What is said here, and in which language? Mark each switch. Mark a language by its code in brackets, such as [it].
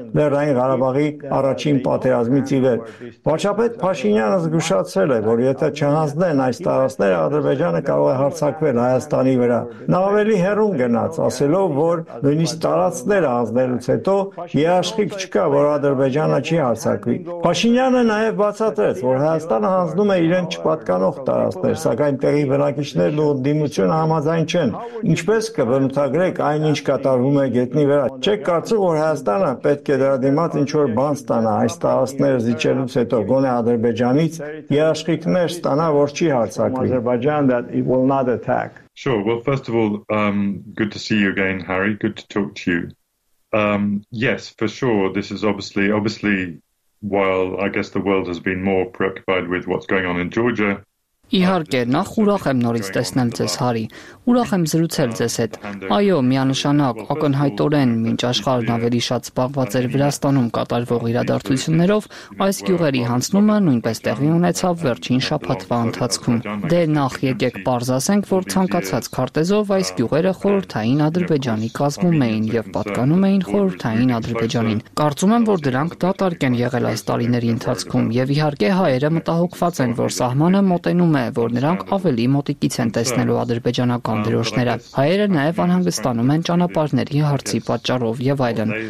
[hy] Լեռնային Ղարաբաղի առաջին պատերազմից ի վեր։ Վարչապետ Փաշինյանը զգուշացրել է, որ եթե չհանձնեն այս տարածքները, Ադրբեջանը կարող է հարձակվել Հայաստանի վրա։ Նա ավելի հեռուն գնաց, ասելով, որ նույնիսկ տարածքները հանձնելուց հետո հիաշխիք չկա, որ Ադրբեջանը չի հարձակվի։ Փաշինյանը նաև բացատրեց, որ Հայաստանը հանձնում է իրեն չպատկանող տարածքներ, սակայն տեղի բնակիչներն ու դիմությունը համաձայն չեն։ Ինչպես կբնութագրեք այն, ինչ կատարվում է գետնի վրա։ Չեք կարծում, որ Հայաստանը պետք է դրա դիմաց ինչ-որ բան ստանա այս տարածքները զիջելուց հետո, գոնե Ադրբեջանից հիաշխիքներ ստանա, որ չի հարձակվի։ [en] Will not attack. Sure. Well, first of all, good to see you again, Harry. Good to talk to you. Yes, for sure. This is obviously, while I guess the world has been more preoccupied with what's going on in Georgia. [hy] Իհարկե, նախ ուրախ եմ նորից տեսնել ձեզ, Հարի, ուրախ եմ զրուցել ձեզ հետ։ Այո, միանշանակ, ակնհայտորեն, մինչ աշխարհն ավելի շատ զբաղված էր Վրաստանում կատարվող իրադարձություններով, այս գյուղերի հանձնումը նույնպես տեղի ունեցավ վերջին շաբաթվա ընթացքում։ Դե նախ եկեք պարզասենք, որ ցանկացած քարտեզով այս գյուղերը խորհրդային Ադրբեջանի կազմում էին և պատկանում էին խորհրդային Ադրբեջանին։ Կարծում եմ, որ դրանք դատարկ են եղել այս տարիների ընթացքում, և իհարկե հայերը մտահոգված են, որ սահմանը մոտենում է, որ նրանք ավելի մոտիկից են տեսնելու ադրբեջանական դրոշները։ Հայերը նաև անհանգստանում են ճանապարհների հարցի պատճառով եւ այլն։